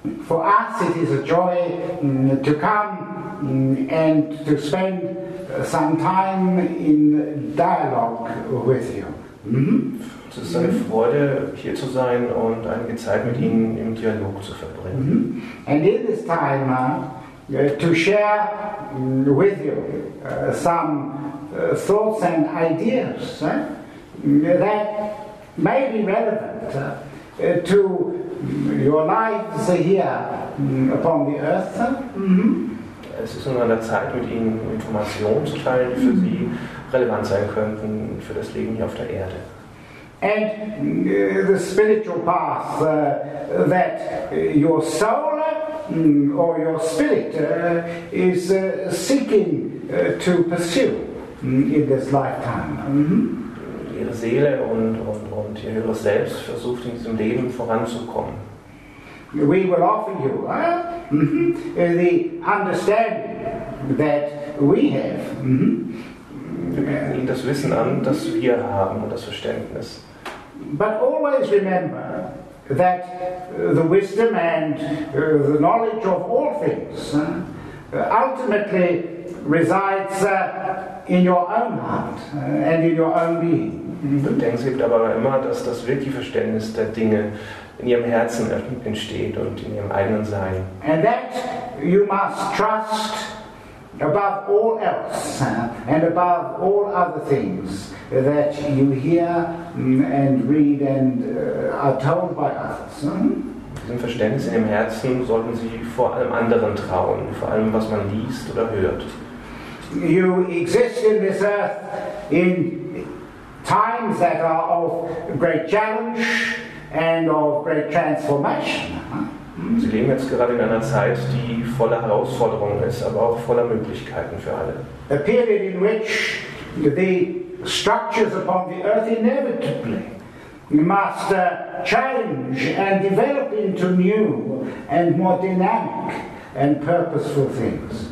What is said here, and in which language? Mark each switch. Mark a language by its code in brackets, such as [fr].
[en] us it is a joy to come and to spend some time in dialogue with you. [de] Es ist eine Freude, hier zu sein und einige Zeit mit Ihnen im Dialog zu verbringen. [en] And in this time to share with you some thoughts and ideas that may be relevant to your lives here upon the earth. [de] Es ist nun an der Zeit, mit Ihnen Informationen zu teilen, die für Sie relevant sein könnten für das Leben hier auf der Erde. [en] And the spiritual path that your soul or your spirit is seeking to pursue in this lifetime. [de] Ihre Seele und ihr höheres Selbst versucht in diesem Leben voranzukommen. [en] We will offer you the understanding that we have. [de] Wir bieten Ihnen das Wissen an, das wir haben, und das Verständnis. [en] But always remember that the wisdom and the knowledge of all things ultimately resides in your own heart and in your own being. [de] Und denken Sie aber immer, dass das wirkliche Verständnis der Dinge in Ihrem Herzen entsteht und in Ihrem eigenen Sein. [en] And that you must trust above all else and above all other things that you hear and read and are told by others. [de] Diesem Verständnis in Ihrem Herzen sollten Sie vor allem anderen trauen, vor allem was man liest oder hört. [en] You exist in this earth in times that are of great challenge and of great transformation. [de] Sie leben jetzt gerade in einer Zeit, die voller Herausforderungen ist, aber auch voller Möglichkeiten für alle. [en] A period in which the structures upon the earth inevitably must change and develop into new and more dynamic and purposeful things.